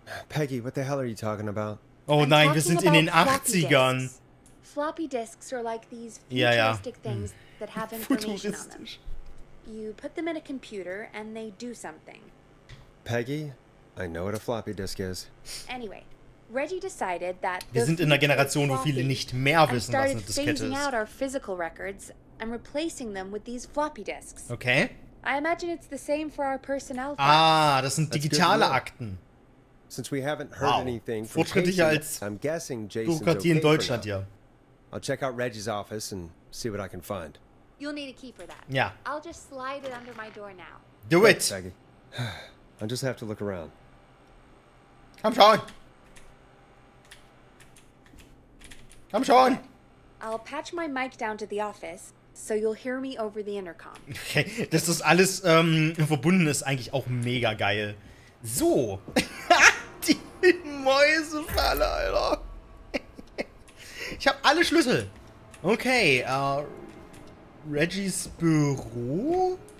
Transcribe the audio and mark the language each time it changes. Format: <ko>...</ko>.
<en>Peggy, what the hell are you talking about?</en> <de>Oh nein, wir sind in den 80ern.</de> <en>Floppy disks are like these futuristic things that have information on them. You put them in a computer and they do something. Peggy, I know what a floppy disk is. Anyway, Reggie decided that</en> <de>wir sind in einer Generation, wo viele nicht mehr wissen, was eine Diskette ist.</de> <en>And started phasing out our physical records and replacing them with these floppy disks. Okay. I imagine it's the same for our personnel.</en> <de>Das sind digitale Akten.</de> <en>Since we haven't heard anything from Fortschrittlicher als I'm guessing Jason in Deutschland, ja. I'll check out Reggie's office and see what I can find. You'll need a key for that. Yeah. I'll just slide it under my door now. Do it. Peggy. I just have to look around. Come on. I'll patch my mic down to the office, so you'll hear me over the intercom.</en> <de>Okay, dass das alles verbunden ist, eigentlich auch mega geil. So. Die Mäusefalle, Alter. Ich habe alle Schlüssel. Okay, Reggies Büro?</de>